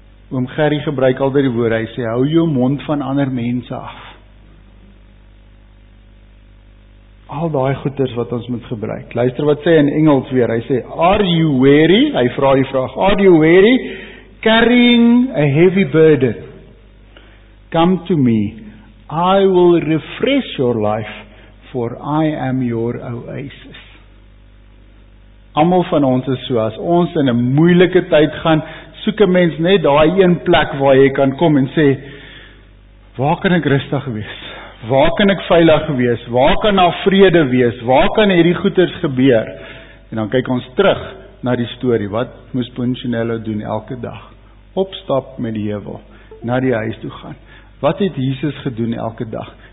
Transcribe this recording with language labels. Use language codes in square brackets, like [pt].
[af] Oom Gerry gebruik altyd die woord. Hy sê, hou jou mond van ander mense af. Al daai goeders wat ons moet gebruik. Luister wat sê in Engels weer. Hy sê, [en] are you weary? [af] Hy vra die vraag, [en] are you weary? Carrying a heavy burden, come to me, I will refresh your life, for I am your oasis. [af] Almal van ons is so, as ons in 'n moeilike tyd gaan, soek 'n mens net daai een plek waar jy kan kom en sê, waar kan ek rustig wees? Waar kan ek veilig wees? Waar kan daar vrede wees? Waar kan hierdie goeders gebeur? En dan kyk ons terug na die story, wat moes Punchinello doen elke dag? Opstap met die hewel, na die huis toe gaan. Wat het Jesus gedoen elke dag?